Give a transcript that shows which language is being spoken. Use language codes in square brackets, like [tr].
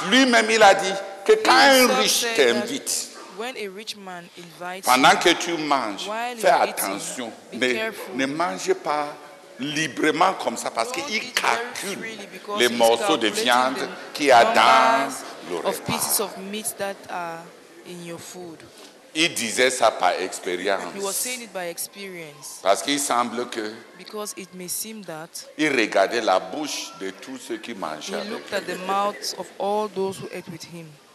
[fr] Lui-même, il a dit que quand un riche t'invite, [en] when a rich man invites [fr] pendant que tu manges, fais attention. Ne mangez pas librement comme ça parce qu'il calcule les morceaux de viande qu'il y a dans le repas. [en] Of pieces of meat that are in your food. [fr] Il disait ça par expérience. [en] He was saying it by experience. [fr] Parce qu'il semble que [en] because it may seem that [fr] il regardait la bouche de tous ceux qui mangeaient. [en] He looked at the mouths of all those who ate with him.